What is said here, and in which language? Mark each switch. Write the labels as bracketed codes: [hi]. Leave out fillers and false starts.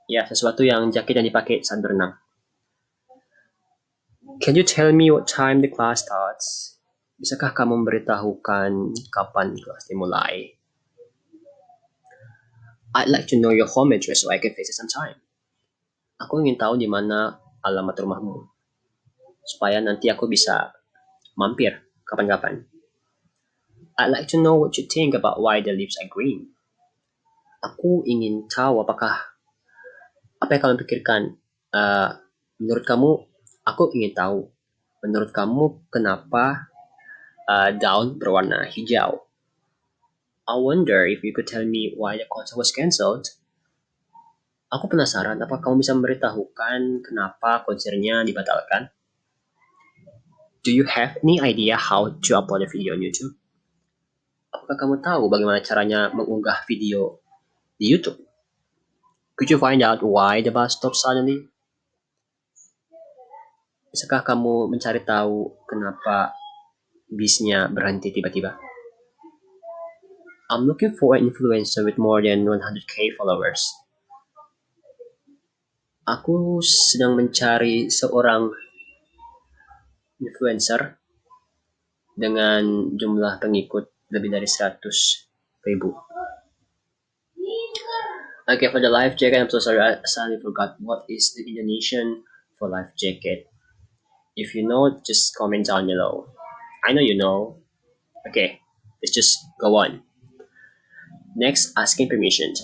[id] Sesuatu yang jaket yang dipakai saat berenang. [en] Can you tell me what time the class starts? [id] Bisakah kamu memberitahukan kapan kelas dimulai? [en] I'd like to know your home address so I can visit sometime. [id] Aku ingin tahu di mana alamat rumahmu supaya nanti aku bisa mampir kapan-kapan. [en] I'd like to know what you think about why the leaves are green. [id] Aku ingin tahu apa yang kamu pikirkan. Menurut kamu, aku ingin tahu. Menurut kamu, kenapa daun berwarna hijau? [en] I wonder if you could tell me why the concert was cancelled. [id] Aku penasaran, apa kamu bisa memberitahukan kenapa konsernya dibatalkan? [en] Do you have any idea how to upload a video on YouTube? [id] Apakah kamu tahu bagaimana caranya mengunggah video di YouTube? [en] Could you find out why the bus stopped suddenly? [id] Bisakah kamu mencari tahu kenapa bisnya berhenti tiba-tiba? [en] I'm looking for an influencer with more than 100k followers. [id] Aku sedang mencari seorang influencer dengan jumlah pengikut lebih dari 100.000. [en] Okay, for the life jacket, I'm so sorry, I suddenly forgot what is the Indonesian for life jacket. If you know, just comment down below. I know you know. Okay, let's just go on. Next, asking permission.